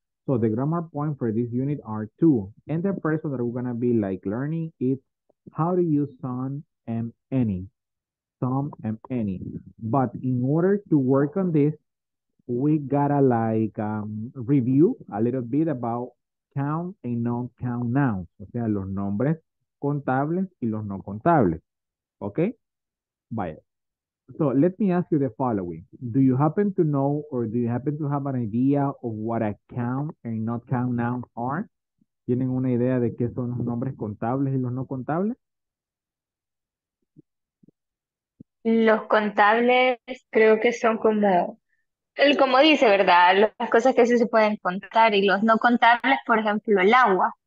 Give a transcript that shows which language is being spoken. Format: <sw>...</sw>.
<en>So the grammar point for this unit are 2. And the first one that we're going to be like learning is how to use some and any. Some and any. But in order to work on this, we gotta like review a little bit about count and non-count nouns.</en> <es>O sea, los nombres contables y los no contables.</es> <en>Okay? Vaya. So let me ask you the following. Do you happen to know or do you happen to have an idea of what a count and not count nouns are?</en> <es>¿Tienen una idea de qué son los nombres contables y los no contables? Los contables creo que son como dice, ¿verdad? Las cosas que sí se pueden contar y los no contables, por ejemplo, el agua.</es>